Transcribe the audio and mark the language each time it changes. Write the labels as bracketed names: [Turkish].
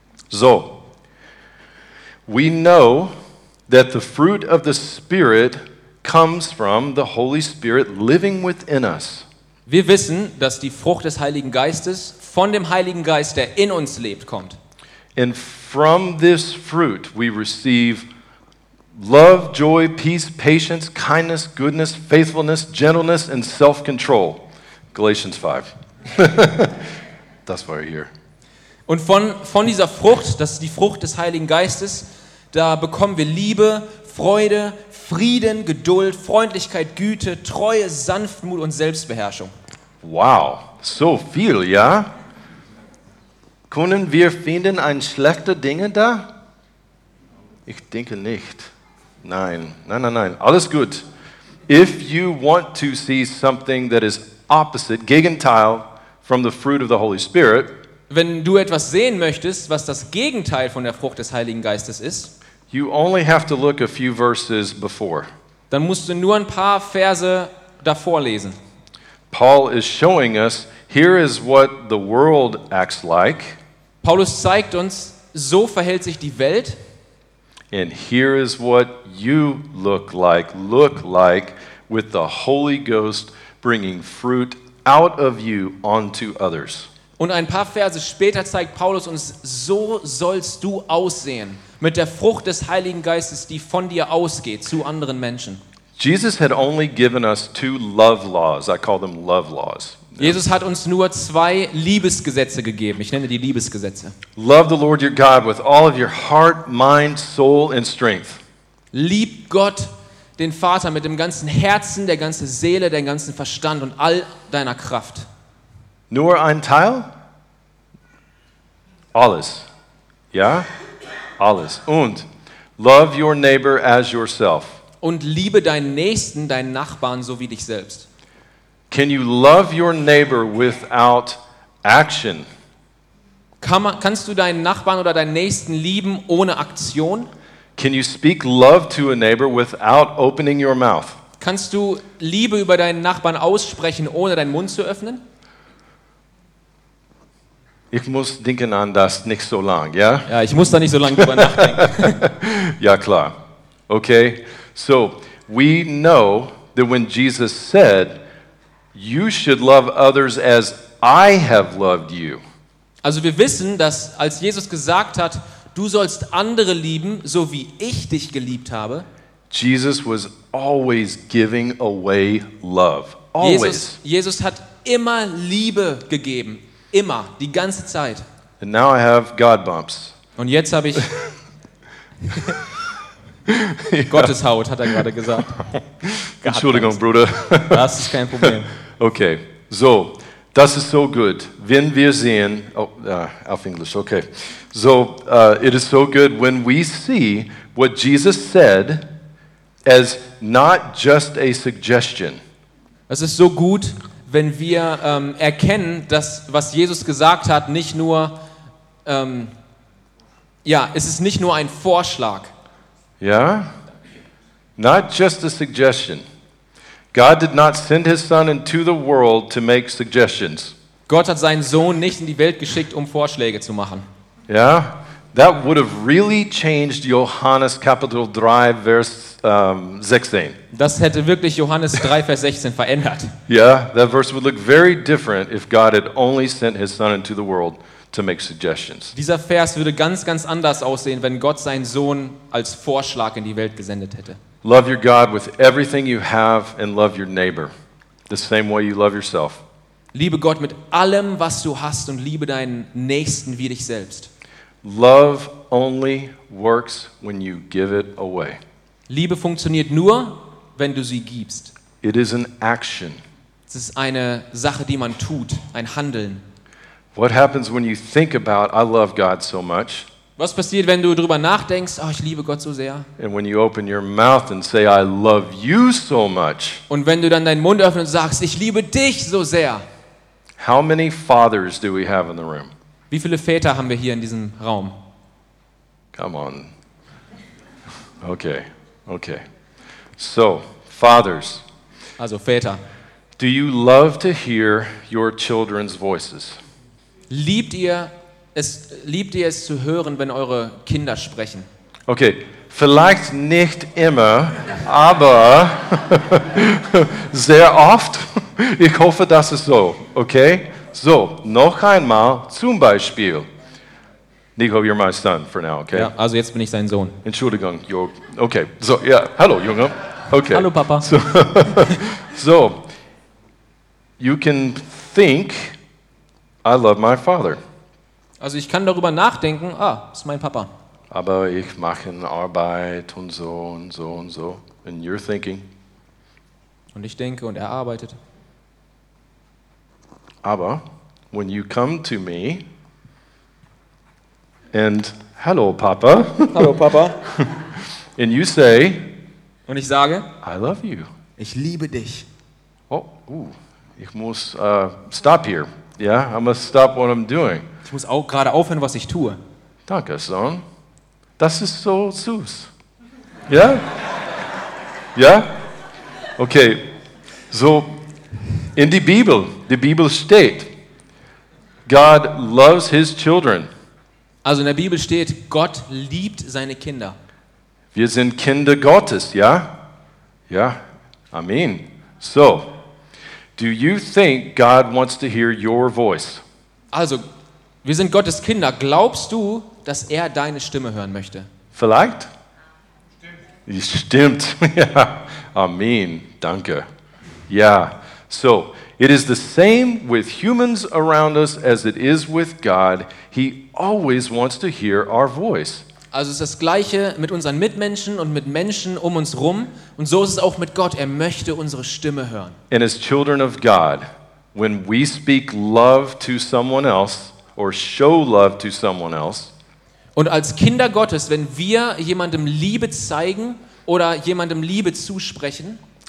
[English] So, we know that the fruit of the Spirit comes from the Holy Spirit living within us. [German] Wir wissen, dass die Frucht des Heiligen Geistes von dem Heiligen Geist, der in uns lebt, kommt. [English] And from this fruit we receive love, joy, peace, patience, kindness, goodness, faithfulness, gentleness, and self-control. [German] Galatians 5. Das war hier. Und von dieser Frucht, das ist die Frucht des Heiligen Geistes, da bekommen wir Liebe, Freude, Frieden, Geduld, Freundlichkeit, Güte, Treue, Sanftmut und Selbstbeherrschung. Wow, so viel, ja? Können wir finden ein schlechter Dinge da? Ich denke nicht. Nein. Alles gut. [English] If you want to see something that is opposite, Gegenteil from the fruit of the Holy Spirit, [German] wenn du etwas sehen möchtest, was das Gegenteil von der Frucht des Heiligen Geistes ist, [English] you only have to look a few verses before. [German] Dann musst du nur ein paar Verse davor lesen. [English] Paul is showing us, here is what the world acts like. [German] Paulus zeigt uns, so verhält sich die Welt. [English] And here is what you look like with the Holy Ghost bringing fruit out of you onto others. [German] Und ein paar Verse später zeigt Paulus uns, so sollst du aussehen mit der Frucht des Heiligen Geistes, die von dir ausgeht zu anderen Menschen. [English] Jesus had only given us two love laws. I call them love laws. [German] Jesus hat uns nur zwei Liebesgesetze gegeben. Ich nenne die Liebesgesetze. [English] Love the Lord your God with all of your heart, mind, soul and strength. [German] Lieb Gott, den Vater, mit dem ganzen Herzen, der ganzen Seele, dem ganzen Verstand und all deiner Kraft. Nur ein Teil? Alles. Ja? Alles. Und [English] love your neighbor as yourself. [German] Und liebe deinen Nächsten, deinen Nachbarn, so wie dich selbst. [English] Can you love your neighbor without action? [German] Kannst du deinen Nachbarn oder deinen Nächsten lieben ohne Aktion? [English] Can you speak love to a neighbor without opening your mouth? [German] Kannst du Liebe über deinen Nachbarn aussprechen, ohne deinen Mund zu öffnen? Ich muss denken an das nicht so lang, ja? Ja, ich muss da nicht so lange drüber nachdenken. Ja, klar. Okay. [English] So, we know that when Jesus said, you should love others as I have loved you. [German] Also wir wissen, dass als Jesus gesagt hat, du sollst andere lieben, so wie ich dich geliebt habe. [English] Jesus was always giving away love. Always. [German] Jesus hat immer Liebe gegeben. Immer. Die ganze Zeit. [English] And now I have God bumps. [German] Und jetzt habe ich... Gottes Haut, hat gerade gesagt. Entschuldigung, Bruder. Das ist kein Problem. Okay, so, das ist so gut, wenn wir sehen, auf Englisch, okay. [English] So, it is so good when we see what Jesus said as not just a suggestion. [German] Es ist so gut, wenn wir erkennen, dass, was Jesus gesagt hat, nicht nur, es ist nicht nur ein Vorschlag. [English] Ja, yeah? Not just a suggestion. God did not send his son into the world to make suggestions. [German] Gott hat seinen Sohn nicht in die Welt geschickt, um Vorschläge zu machen. Ja, yeah? [English] That would have really changed [German] Johannes Kapitel 3 Vers 16. Das hätte wirklich Johannes 3 Vers 16 verändert. [English] Yeah, that verse would look very different if God had only sent his son into the world to make suggestions. [German] Dieser Vers würde ganz ganz anders aussehen, wenn Gott seinen Sohn als Vorschlag in die Welt gesendet hätte. [English] Love your God with everything you have and love your neighbor the same way you love yourself. [German] Liebe Gott mit allem, was du hast und liebe deinen Nächsten wie dich selbst. [English] Love only works when you give it away. [German] Liebe funktioniert nur, wenn du sie gibst. [English] It is an action. [German] Es ist eine Sache, die man tut, ein Handeln. [English] What happens when you think about I love God so much? [German] Was passiert, wenn du darüber nachdenkst, oh, ich liebe Gott so sehr? [English] And when you open your mouth and say I love you so much. [German] Und wenn du dann deinen Mund öffnest und sagst, ich liebe dich so sehr. [English] How many fathers do we have in the room? [German] Wie viele Väter haben wir hier in diesem Raum? [English] Come on. Okay. Okay. So, fathers. [German] Also Väter. [English] Do you love to hear your children's voices? [German] Liebt ihr es zu hören, wenn eure Kinder sprechen? Okay, vielleicht nicht immer, aber sehr oft. Ich hoffe, das ist so, okay? So, noch einmal, zum Beispiel. [English] Nico, you're my son for now, okay? [German] Ja, also jetzt bin ich sein Sohn. Entschuldigung, Jörg. Okay, so, ja, yeah. Hallo, Junge. Okay. Hallo, Papa. [English] So, so, you can think, I love my father. [German] Also ich kann darüber nachdenken, ah, ist mein Papa. Aber ich mache Arbeit und so und so und so. [English] And you're thinking. [German] Und ich denke und er arbeitet. [English] Aber when you come to me and hello Papa. [German] Hallo Papa. [English] And you say. [German] Und ich sage. [English] I love you. [German] Ich liebe dich. [English] Oh, [German] ich muss [English] stop here. Yeah, I must stop what I'm doing. [German] Ich muss auch gerade aufhören, was ich tue. Danke, Sohn. Das ist so süß. Ja? Yeah? Ja? Yeah? Okay. [English] So, [German] in die Bibel steht, [English] God loves his children. [German] Also in der Bibel steht, Gott liebt seine Kinder. Wir sind Kinder Gottes, ja? Ja? Amen. [English] So, do you think God wants to hear your voice? [German] Also, wir sind Gottes Kinder. Glaubst du, dass er deine Stimme hören möchte? Vielleicht. Stimmt. Stimmt. Ja. Amen. Danke. Ja. [English] So, it is the same with humans around us as it is with God. He always wants to hear our voice. [German] Also es ist das Gleiche mit unseren Mitmenschen und mit Menschen um uns rum. Und so ist es auch mit Gott. Er möchte unsere Stimme hören. [English] And as children of God, when we speak love to someone else, or show love to someone else. [German] Und als Kinder Gottes, wenn wir jemandem Liebe zeigen oder jemandem Liebe zusprechen,